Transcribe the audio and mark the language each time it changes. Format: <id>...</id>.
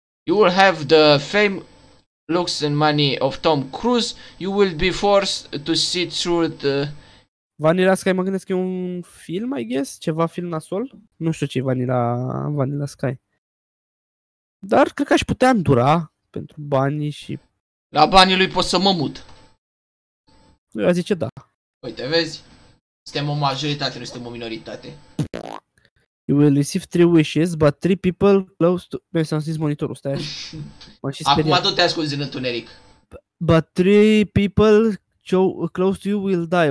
<en>You will have the fame, looks and money of Tom Cruise. You will be forced to see through the...</en> <ro>Vanilla Sky, mă gândesc că e un film,</ro> <en>I guess?</en> <ro>Ceva film nasol? Nu știu ce e Vanilla Sky. Dar cred că aș putea îndura pentru banii și... La banii lui pot să mă mut. Eu zice da. Uite, vezi? Suntem o majoritate, nu suntem o minoritate.</ro> <en>You will receive three wishes, but three people close to...</en> <ro>Băi, s-am zis monitorul, stai așa. Acum tot te ascunzi în întuneric.</ro> <en>But three people close to you will die.</en>